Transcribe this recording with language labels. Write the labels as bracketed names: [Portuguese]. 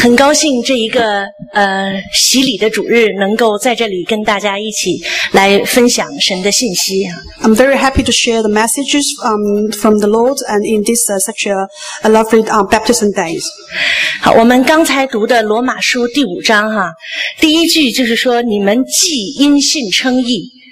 [Chinese] 很高兴这一个洗礼的主日能够在这里跟大家一起来分享神的信息。 [English] I'm very happy to share the messages from the Lord and in this such a lovely baptism days. [Chinese] 好，我们刚才读的罗马书第五章哈，第一句就是说你们既因信称义。